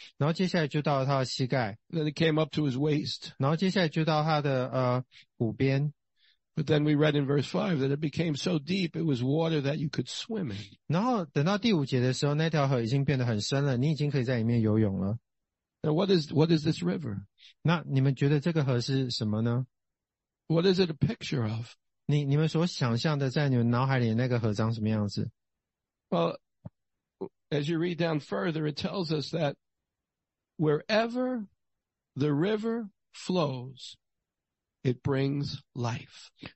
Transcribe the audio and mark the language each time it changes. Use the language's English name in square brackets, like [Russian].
[Chinese] 然后接下来就到了他的膝盖。 [English] Then it came up to his waist. [Chinese] 然后接下来就到他的骨边。 [English] But then we read in verse 5 that it became so deep it was water that you could swim in. [Chinese] 然后等到第五节的时候，那条河已经变得很深了，你已经可以在里面游泳了。 [English] Now what is this river? [Chinese] 那你们觉得这个河是什么呢？ [English] What is it a picture of? [Chinese] 你们所想象的在你们脑海里那个河长什么样子？ [English] Well, as you read down further, it tells us that wherever the river flows, it brings life.